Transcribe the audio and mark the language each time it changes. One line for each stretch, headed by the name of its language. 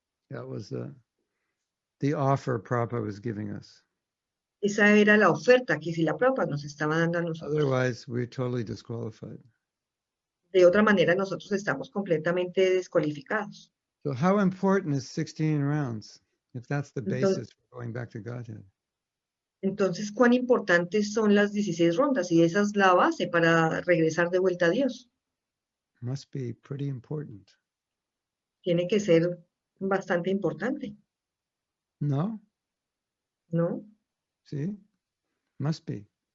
English: That was the offer Prabhupada was giving us.
Spanish: Esa era la oferta que Srila Prabhupada nos estaba dando a nosotros.
English: Otherwise, we're totally disqualified.
Spanish: De otra manera, nosotros estamos completamente descualificados.
English: So how important is 16 rounds if that's the basis for going back to Godhead?
Spanish: Entonces, ¿cuán importantes son las 16 rondas? Y esa es la base para regresar de vuelta a Dios.
English: Must be pretty important.
Spanish: Tiene que ser bastante importante.
English: No.
Spanish: No. Sí.
English: Must be.